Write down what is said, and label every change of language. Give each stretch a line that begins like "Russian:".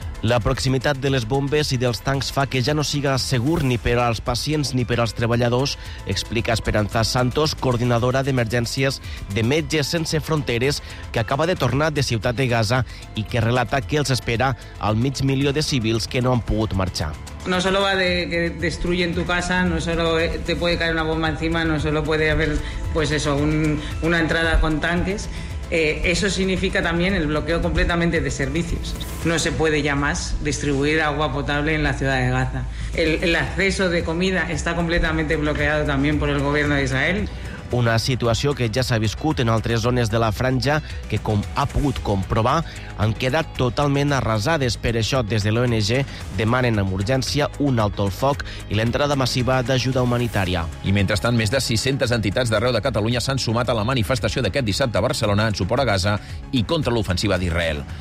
Catalan: La proximitat de les bombes i dels tancs fa que ja no siga segur ni per als pacients ni per als treballadors, explica Esperanza Santos, coordinadora d'emergències de Metges Sense Fronteres, que acaba de tornar de Ciutat de Gaza i que relata que els espera al 500.000 de civils que no han pogut marxar.
Spanish: No solo va de que destruyen tu casa, no solo te puede caer una bomba encima, no solo puede haber pues eso, una entrada con tanques. Eso significa también el bloqueo completamente de servicios. No se puede ya más distribuir agua potable en la ciudad de Gaza. El acceso de comida está completamente bloqueado también por el gobierno de Israel.
Catalan: Una situació que ja s'ha viscut en altres zones de la franja que, com ha pogut comprovar, han quedat totalment arrasades. Per això, des de l'ONG, demanen amb urgència un alto el foc i l'entrada massiva d'ajuda humanitària. I mentrestant, més de 600 entitats d'arreu de Catalunya s'han sumat a la manifestació d'aquest dissabte a Barcelona en suport a Gaza i contra l'ofensiva d'Israel.